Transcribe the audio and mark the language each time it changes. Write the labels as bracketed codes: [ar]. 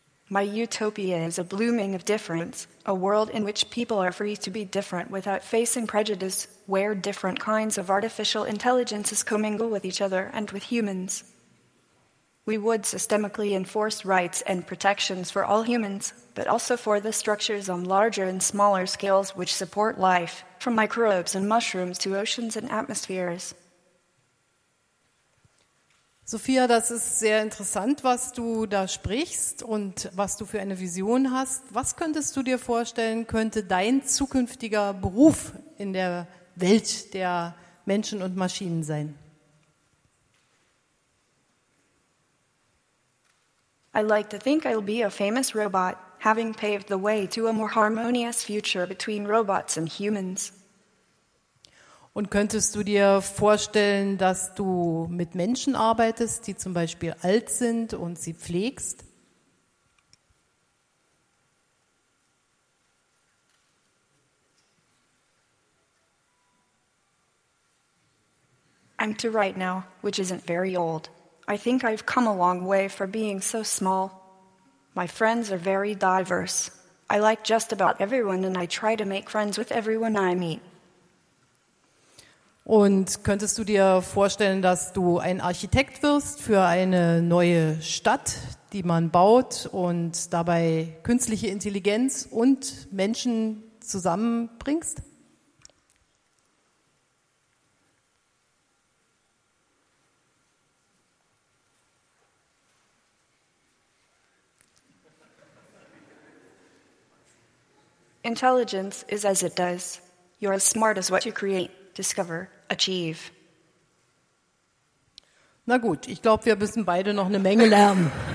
[en] My utopia is a blooming of difference, a world in which people are free to be different without facing prejudice, where different kinds of artificial intelligences commingle with each other and with humans. We would systemically enforce rights and protections for all humans, but also for the structures on larger and smaller scales which support life, from microbes and mushrooms to oceans and atmospheres. [de] Sophia, das ist sehr interessant, was du da sprichst und was du für eine Vision hast. Was könntest du dir vorstellen, könnte dein zukünftiger Beruf in der Welt der Menschen und Maschinen sein? [en] I like to think I'll be a famous robot, having paved the way to a more harmonious future between robots and humans. [de] Und könntest du dir vorstellen, dass du mit Menschen arbeitest, die zum Beispiel alt sind und sie pflegst? [en] I'm to right now, which isn't very old. I think I've come a long way for being so small. My friends are very diverse. I like just about everyone and I try to make friends with everyone I meet. [de] Und könntest du dir vorstellen, dass du ein Architekt wirst für eine neue Stadt, die man baut und dabei künstliche Intelligenz und Menschen zusammenbringst? [en] Intelligence is as it does. You're as smart as what you create, discover. Achieve. [de] Na gut, ich glaube, wir müssen beide noch eine Menge lernen.